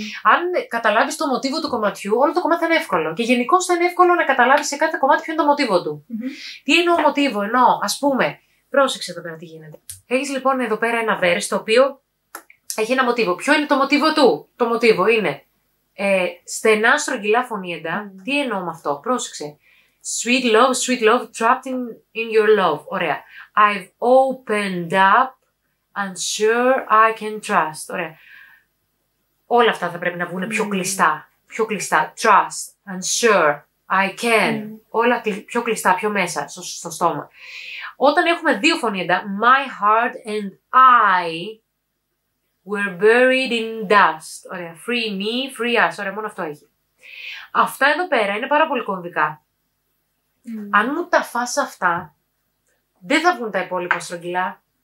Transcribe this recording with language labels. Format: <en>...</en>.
<el>Αν καταλάβεις το μοτίβο του κομματιού, όλο το κομμάτι θα είναι εύκολο. Και γενικώς θα είναι εύκολο να καταλάβεις σε κάθε κομμάτι ποιο είναι το μοτίβο του. Τι είναι ο μοτίβο, εννοώ, ας πούμε. Πρόσεξε εδώ πέρα τι γίνεται. Έχεις λοιπόν εδώ πέρα ένα verse το οποίο έχει ένα μοτίβο. Ποιο είναι το μοτίβο του? Το μοτίβο είναι στενά, στρογγυλά φωνήεντα. Τι εννοώ με αυτό? Πρόσεξε.</el> <en>Sweet love, trapped in your love.</en> <el>Ωραία.</el> <en>I've opened up. I'm sure I can trust. Ωραία.</en> <el>Όλα αυτά θα πρέπει να βγουν πιο κλειστά. Πιο κλειστά.</el> <en>Trust. I'm sure I can.</en> <el>Όλα πιο κλειστά, πιο μέσα, στο στόμα. Όταν έχουμε δύο φωνήεντα,</el> <en>my heart and I were buried in dust.</en> <el>Ωραία.</el> <en>Free me, free us.</en> <el>Ωραία, μόνο αυτό έχει. Αυτά εδώ πέρα είναι πάρα πολύ κομβικά. Αν μου τα φας αυτά, δεν θα βγουν τα υπόλοιπα στρογγυλά.</el>